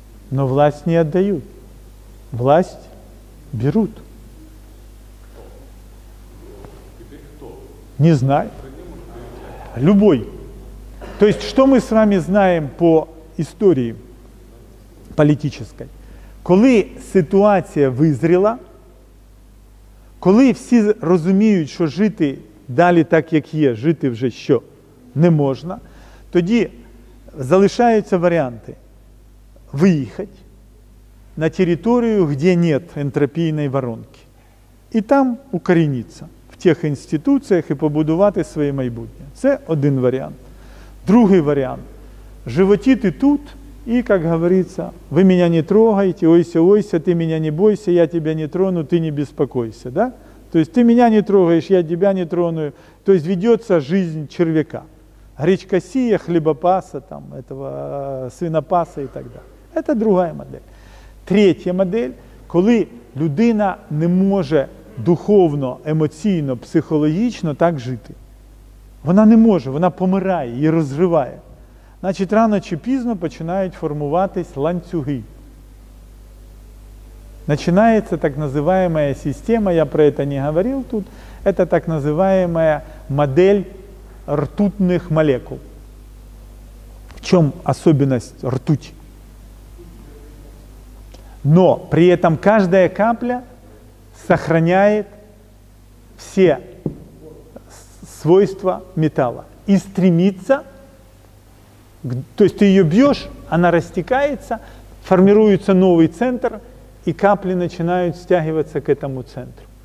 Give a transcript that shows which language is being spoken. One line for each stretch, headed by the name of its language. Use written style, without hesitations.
Russian: Но власть не отдают. Власть берут. Теперь кто? Не знаю. Любой. То есть, что мы с вами знаем по истории политической? Коли ситуация вызрела,
Ukrainian: коли все розуміють, что жити далі так, як є, жити вже що не можна, тоді залишаються варіанти виїхати на територію, де нет ентропійної воронки, і там укоренитися в тих інституціях і побудувати своє майбутнє. Це один варіант. Другий варіант – животіти тут і, як говориться, ви мене не трогайте, ойся, ойся, ти мене не бойся, я тебе не трону, ти не беспокойся. Да?
Russian: То есть ты меня не трогаешь, я тебя не трону. То есть ведется жизнь червяка. Гречка сия, хлебопаса, там, этого свинопаса и так далее. Это другая модель. Третья модель,
Ukrainian: коли людина не може духовно, емоційно, психологічно так жити. Вона не може, вона помирає, її розриває. Значить, рано чи пізно починають формуватись ланцюги.
Russian: Начинается так называемая система, я про это не говорил тут, это так называемая модель ртутных молекул. В чем особенность ртути? Но при этом каждая капля сохраняет все свойства металла и стремится, то есть ты ее бьешь, она растекается, формируется новый центр, и капли начинают стягиваться к этому центру.